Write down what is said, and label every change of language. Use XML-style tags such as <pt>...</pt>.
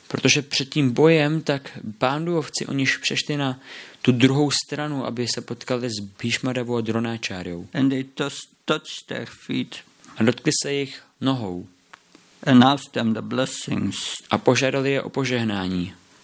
<cs>Protože před tím bojem, tak Pandovci, oni přešli na tu druhou stranu, aby se potkali s Bhishma Devou a Dronacharyou.</cs> <en>And they touched their feet.</en> <cs>A dotkli se jich nohou.</cs> <en>And asked them the blessings.</en> <cs>A požádali je o požehnání.</cs>